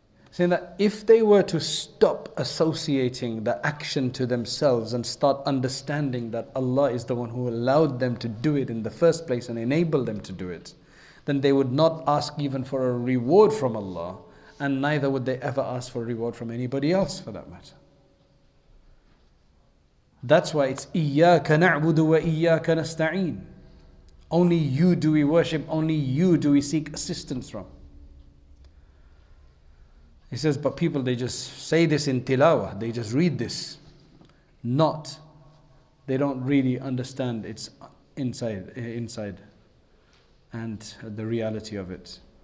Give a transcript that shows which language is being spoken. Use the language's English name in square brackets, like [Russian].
[English] Saying that if they were to stop associating the action to themselves and start understanding that Allah is the one who allowed them to do it in the first place and enabled them to do it, then they would not ask even for a reward from Allah, and neither would they ever ask for a reward from anybody else for that matter. That's why it's [Arabic] إِيَّاكَ نَعْبُدُ وَإِيَّاكَ نَسْتَعِينَ. [English] Only you do we worship, only you do we seek assistance from. He says, but people, they just say this in tilawah, they just read this. Not, they don't really understand it's inside, and the reality of it.